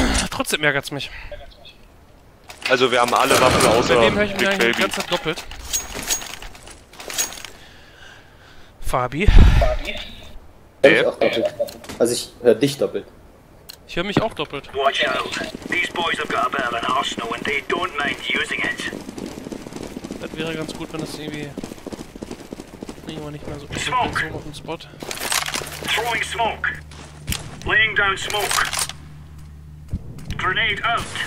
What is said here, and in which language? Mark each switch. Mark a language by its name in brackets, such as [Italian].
[German] Trotzdem ärgert's mich. Also, wir haben alle Waffen außer Big Baby. Bei dem höre ich mich eigentlich die ganze Zeit doppelt. Fabi? Hör ich auch doppelt. Also, ich hör dich doppelt. Ich höre mich auch doppelt. [English] Watch out! These boys have got a bit of an arsenal and they don't mind using it. [German] Das wäre ganz gut, wenn das irgendwie. Immer nicht mehr so [English] smoke. [German] Auf dem Spot. [English] Throwing smoke. Laying down smoke. Grenade out.